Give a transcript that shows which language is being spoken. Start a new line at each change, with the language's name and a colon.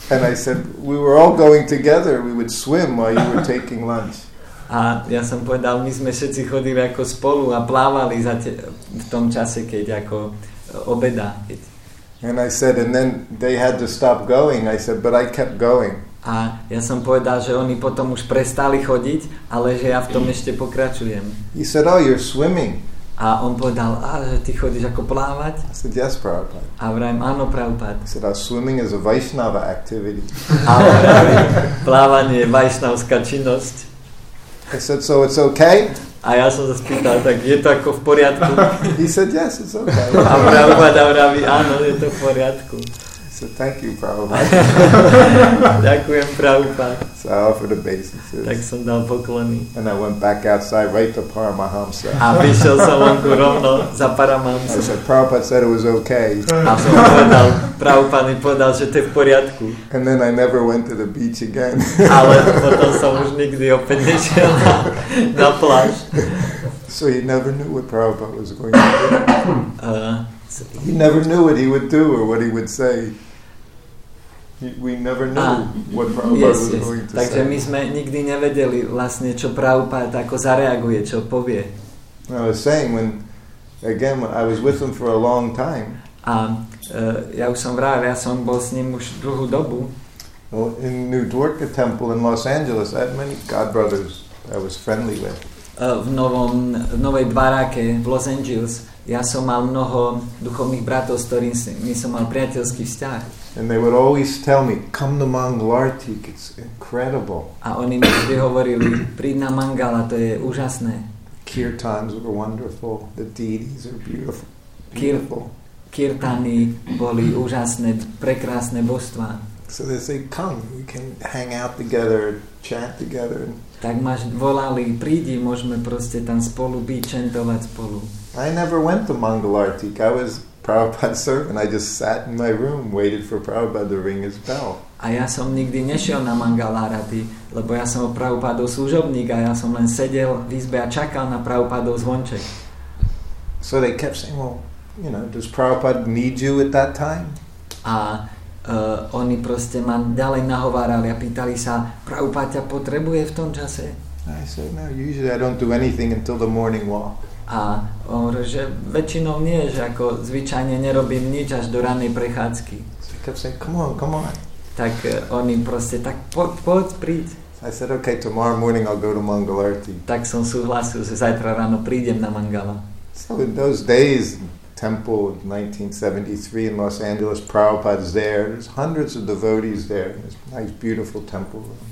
English: And I said, we were all going together. We would swim while you were taking lunch.
Slovak: A ja som povedal, my sme všetci chodili ako spolu a plávali za v tom čase, keď ako obeda.
English: And I said, and then they had to stop going. I said, but I kept going.
Slovak: A ja som povedal, že oni potom už prestali chodiť, ale že ja v tom ešte pokračujem.
English: He said, oh, you're swimming.
Slovak: A on povedal, a že ty chodíš ako plávať?
English: I said, yes, Prabhupada.
Slovak: A vrajím, áno, Prabhupada.
English: He said, oh, swimming is a Vaishnava activity.
Slovak: A vrajím, plávanie je vaishnavská činnosť.
English: I said, so it's okay?
Slovak: A ja som sa spýtal, tak je to ako v poriadku?
English: He said, yes, it's okay.
Slovak: A Prabhupada vraví, áno, je to v poriadku.
English: So thank you, Prabhupada.
Slovak: Ďakujem, Prabhupada.
English: So I offered obeisances.
Slovak: Tak som dal poklony.
English: And I went back outside right to Paramahamsa.
Slovak: A vyšiel som vonku rovno za Paramahamsa.
English: I said, Prabhupada said it was okay.
Slovak: A som povedal, Prabhupada mi povedal, že to je v poriadku.
English: And then I never went to the beach again.
Slovak: Ale potom som už nikdy opäť nešiel na pláž.
English: So you never knew what Prabhupada was going to do. He never knew what he would do or what he would say. We never knew what Prabhupada was going to
Slovak: takže Takže my sme nikdy nevedeli vlastne, čo Prabhupada ako zareaguje, čo povie.
English: I was saying, when, again, I was with him for a long time.
Slovak: A ja už som vravil, ja som bol s ním už dlhú dobu.
English: Well, in New Dwarka Temple in Los Angeles, I had many God brothers I was friendly with.
Slovak: V Novej Dvarake v Los Angeles ja som mal mnoho duchovných bratov, s ktorými som mal priateľský vzťah.
English: And they would always tell me, come to Mangalartik, it's incredible.
Slovak: A oni mi vždy hovorili, príď na Mangala, to je úžasné.
English: Kirtans were wonderful, the deities are beautiful. Beautiful.
Slovak: Kirtany boli úžasné, prekrásne božstva.
English: So they say, come, we can hang out together, chant together.
Slovak: Tak ma volali, prídi, môžeme proste tam spolu byť, čentovať spolu.
English: I never went to Mangalartik. I was Prabhupada's servant. I just sat in my room, waited for Prabhupada to ring his bell.
Slovak: A ja som nikdy nešiel na Mangalarati, lebo ja som o Prabhupádov služobník a ja som len sedel v izbe a čakal na Prabhupádov zvonček.
English: So they kept saying, well, you know, does Prabhupada need you at that time?
Slovak: A oni proste ma ďalej nahovárali a pýtali sa, Prabhupáda ťa potrebuje v tom čase?
English: I said, no, usually I don't do anything until the morning walk.
Slovak: A on hovorí, že väčšinou nie, že ako zvyčajne nerobím nič až do ranej prechádzky.
English: So kept saying, come on, come on.
Slovak: Tak on im proste, tak poď, príď.
English: I said, okay, tomorrow morning I'll go to Mangalarti.
Slovak: Tak som súhlasil, že zajtra ráno prídem na Mangala.
English: So in those days, temple 1973 in Los Angeles, Prabhupada's there, there's hundreds of devotees there, there's a nice, beautiful temple.